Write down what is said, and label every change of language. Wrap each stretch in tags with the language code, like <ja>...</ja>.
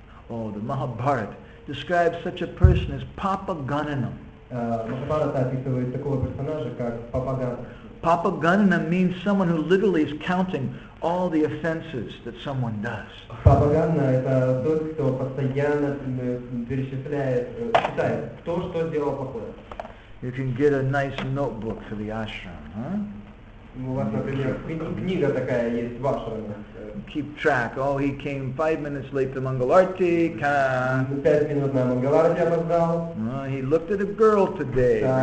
<en>The Mahabharata describes such a person as Papa Gananam.</en> <ru>Махабхарата описывает такого персонажа, как Папа Ганана.</ru> <en>Papa Ganana means someone who literally is counting all the offenses that someone does.</en> <ru>Papa Ganana это тот, кто постоянно перечисляет, считает, кто что сделал плохое.</ru> <en>You can get a nice notebook for the ashram, huh?</en> <ru>У вас, например, книга такая есть в ашраме.</ru> <en>Keep track. Oh, he came 5 minutes late to Mangalarti.</en> <ru>5 минут на Мангаларти опоздал.</ru> <en>He looked at a girl today.</en>